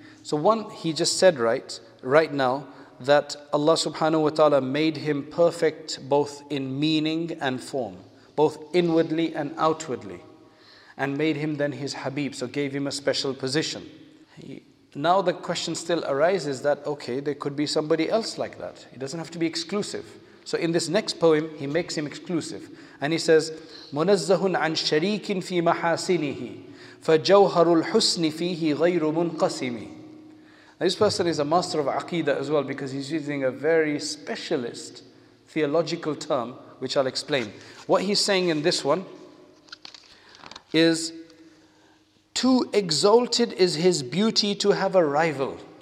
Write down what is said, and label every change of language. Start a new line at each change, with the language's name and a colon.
English: So one, he just said right now, that Allah subhanahu wa ta'ala made him perfect both in meaning and form, both inwardly and outwardly, and made him then his Habib, so gave him a special position. Now the question still arises that, okay, there could be somebody else like that. It doesn't have to be exclusive. So in this next poem, he makes him exclusive. And he says,
Arabic: مُنَزَّهٌ عَنْ شَرِيكٍ فِي مَحَاسِنِهِ فَجَوْهَرُ الْحُسْنِ فِيهِ غَيْرُ مُنْقَسِمِ.
English: Now this person is a master of aqidah as well, because he's using a very specialist theological term, which I'll explain. What he's saying in this one is, too exalted is his beauty to have a rival.